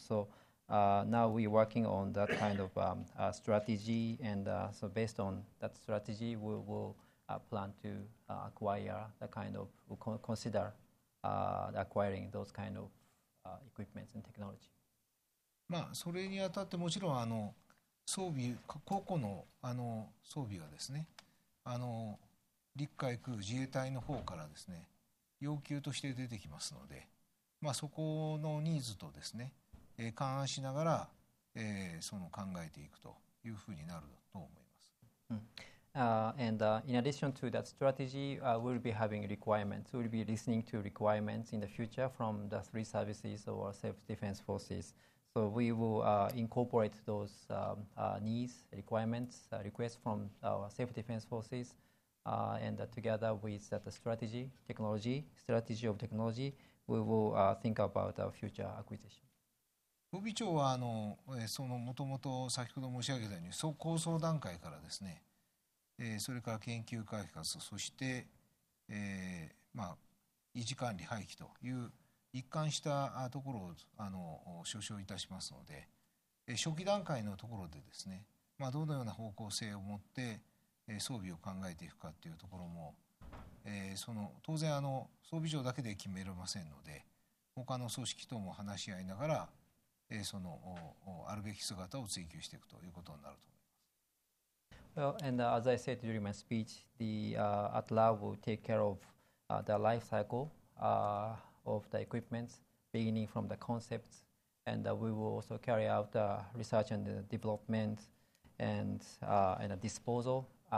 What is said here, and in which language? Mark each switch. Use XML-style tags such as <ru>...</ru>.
<en>So now we're working on that kind of strategy, and so based on that strategy, we will plan to acquire the kind of, consider acquiring those kind of equipments and technology.</en> <ja>まあ、それにあたってもちろんあの装備、個々の、あの装備はですね、あの陸海空自衛隊の方からですね、要求として出てきますので、まあ、そこのニーズとですね、勘案しながら、その考えていくというふうになると思います。</ja> <en>In addition to that strategy, we'll be having requirements. We'll be listening to requirements in the future from the three services or self-defense forces. So we will incorporate those needs, requirements, requests from our self-defense forces. And together with the strategy, technology, strategy of technology, we will think about our future acquisition.</en> <ja>予備長はあの、そのもともと先ほど申し上げたように、そう構想段階からですね、それから研究開発、そして、まあ、維持管理廃棄という一貫したところをあの所掌いたしますので、初期段階のところでですね、まあ、どのような方向性を持って装備を考えていくかというところも、その当然あの装備上だけで決められませんので、他の組織とも話し合いながら、そのあるべき姿を追求していくということになると思います。</ja> <en>Well, and as I said during my speech, the ATLAB will take care of the life cycle of the equipment, beginning from the concept, and we will also carry out the research and the development and a disposal.</en>